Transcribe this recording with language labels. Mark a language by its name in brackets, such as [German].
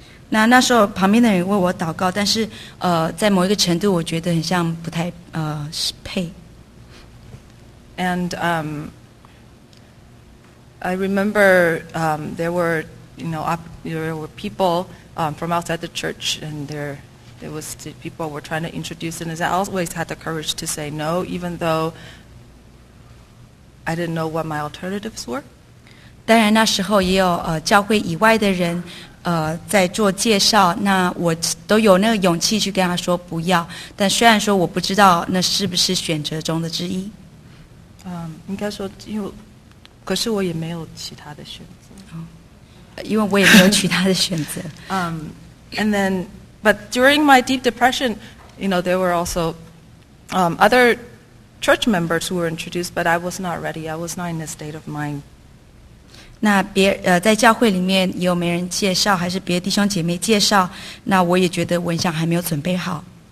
[Chinese] 那时候旁边的人为我祷告，但是在某一个程度，我觉得很像不太配。 [English] And I remember there were there were people from outside the church, and people were trying to introduce, and I always had the courage to say no, even though I didn't know what my alternatives were. [Chinese] 当然那时候也有教会以外的人。在做介绍，那我都有那个勇气去跟他说不要。但虽然说我不知道那是不是选择中的之一，应该说，可是我也没有其他的选择，因为我也没有其他的选择。 [English] And then, but during my deep depression, there were also other church members who were introduced, but I was not ready. I was not in a state of mind. [Chinese] 那别在教会里面有没人介绍，还是别的弟兄姐妹介绍？那我也觉得我想还没有准备好。